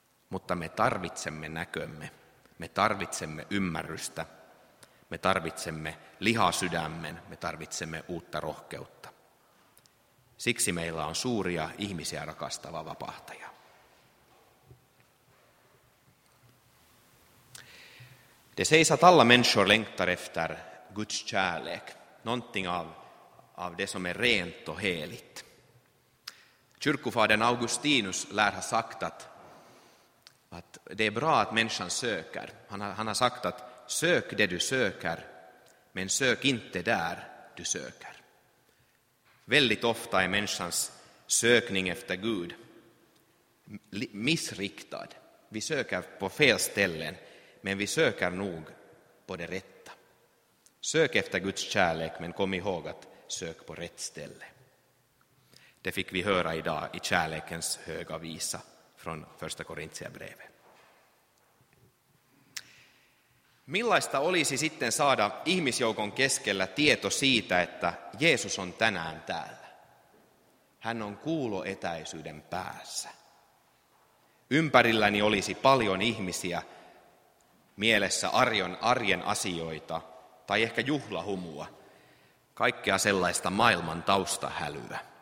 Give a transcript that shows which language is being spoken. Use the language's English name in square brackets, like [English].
[Finnish] Mutta me tarvitsemme näkömme, me tarvitsemme ymmärrystä, me tarvitsemme lihasydämen, me tarvitsemme uutta rohkeutta. Siksi meillä on suuria ihmisiä rakastava vapahtaja. [Swedish] De seisat alla människor längtar efter Guds kärlek, någonting av det som är rent och heligt. Kyrkofadern Augustinus lär ha sagt att det är bra att människan söker. Han har sagt att sök det du söker, men sök inte där du söker. Väldigt ofta är människans sökning efter Gud missriktad. Vi söker på fel ställen, men vi söker nog på det rätta. Sök efter Guds kärlek, men kom ihåg att sök på rätt ställe. Det fick vi höra idag i kärlekens höga visa från första Korintierbrevet. [Finnish] Millaista olisi sitten saada ihmisjoukon keskellä tieto siitä, että Jeesus on tänään täällä? Hän on kuuloetäisyyden päässä. Ympärilläni olisi paljon ihmisiä, mielessä arjen asioita tai ehkä juhlahumua, kaikkea sellaista maailman taustahälyä.